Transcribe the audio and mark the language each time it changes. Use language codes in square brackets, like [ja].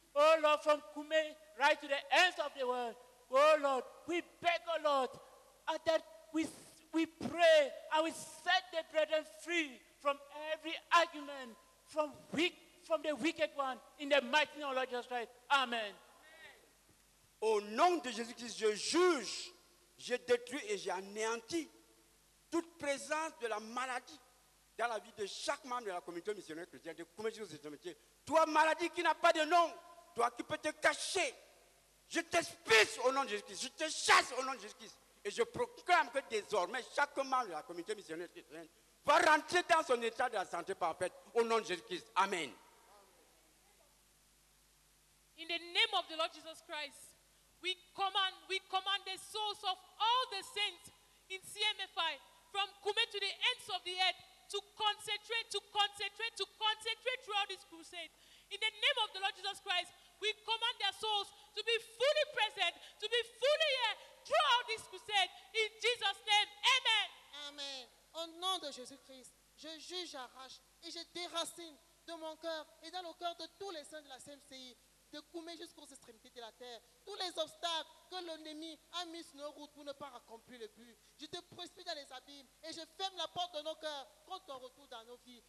[en] Oh Lord, from Koumé right to the ends of the world. Oh Lord, we beg, oh Lord, that we we pray and we set the brethren free from every argument, from weak, from the wicked one, in the mighty name of Lord Jesus Christ. Amen. [fr] Au nom de Jésus-Christ, je juge, je détruis et j'anéantis toute présence de la maladie dans la vie de chaque membre de la communauté missionnaire chrétienne, de commission de ce métier. Toi, maladie qui n'a pas de nom, toi qui peux te cacher, je t'expulse au nom de Jésus-Christ, je te chasse au nom de Jésus-Christ. Et je proclame que désormais, chaque membre de la communauté missionnaire chrétienne va rentrer dans son état de la santé parfaite au nom de Jésus-Christ. Amen. [en] In the name of the Lord Jesus Christ, we command the souls of all the saints in CMFI from Kume to the ends of the earth to concentrate throughout this crusade. In the name of the Lord Jesus Christ, we command their souls to be fully present, to be fully here throughout this crusade. In Jesus' name, amen. Amen. [fr] Au nom de Jésus-Christ, je juge, j'arrache et je déracine de mon cœur et dans le cœur de tous les saints de la CMCI, de Koumé jusqu'aux extrémités de la terre, tous les obstacles que l'ennemi a mis sur nos routes pour ne pas accomplir le but. Je te précipite dans les abîmes et je ferme la porte de nos cœurs contre ton retour dans nos vies.